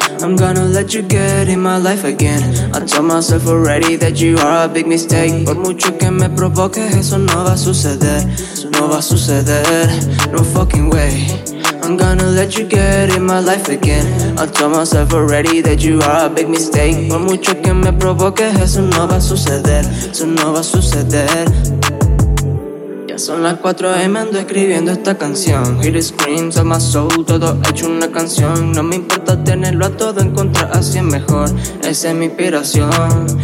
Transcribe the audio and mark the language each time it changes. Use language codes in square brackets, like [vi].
[en] I'm gonna let you get in my life again. I told myself already that you are a big mistake. [es] Por mucho que me provoque, eso no va a suceder. No va a suceder, [en] no fucking way. I'm gonna let you get in my life again. I told myself already that you are a big mistake. [es] Por mucho que me provoque, eso no va a suceder. Eso no va a suceder. Son las 4 a.m. ando escribiendo esta canción. [en] Hear the screams of my soul, [es] todo hecho una canción. No me importa tenerlo a todo, encontrar así es mejor. Esa es mi inspiración.